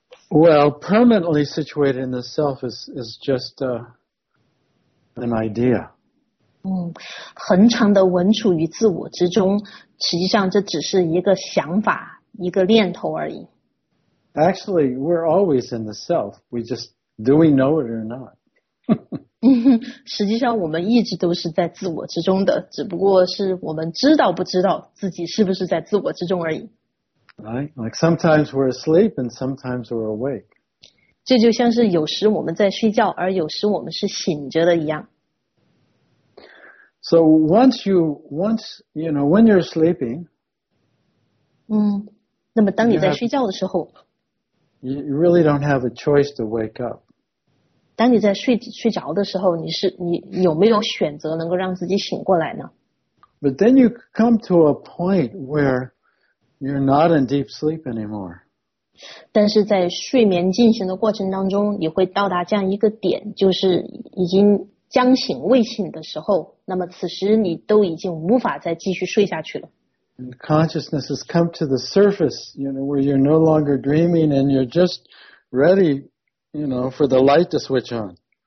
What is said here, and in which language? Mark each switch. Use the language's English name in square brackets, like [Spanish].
[English] Well, permanently situated in the self is just an idea. [Chinese] 恒常的稳处于自我之中，实际上这只是一个想法，一个念头而已。 [English] Actually, we're always in the self. We just, do we know it or not? [Chinese] 实际上我们一直都是在自我之中的，只不过是我们知道不知道自己是不是在自我之中而已。 [English] Right, like sometimes we're asleep and sometimes we're awake. [Chinese] 这就像是有时我们在睡觉，而有时我们是醒着的一样。 [English] So once, you know, when you're sleeping, [Chinese] 那么当你在睡觉的时候， [English] you really don't have a choice to wake up. [Chinese] 当你在睡着的时候，你有没有选择能够让自己醒过来呢？ [English] But then you come to a point where you're not in deep sleep anymore. [Chinese] 但是在睡眠进行的过程当中，你会到达这样一个点，就是已经将醒未醒的时候，那么此时你都已经无法再继续睡下去了。 [English] And consciousness has come to the surface, you know, where you're no longer dreaming and you're just ready, you know, for the light to switch on.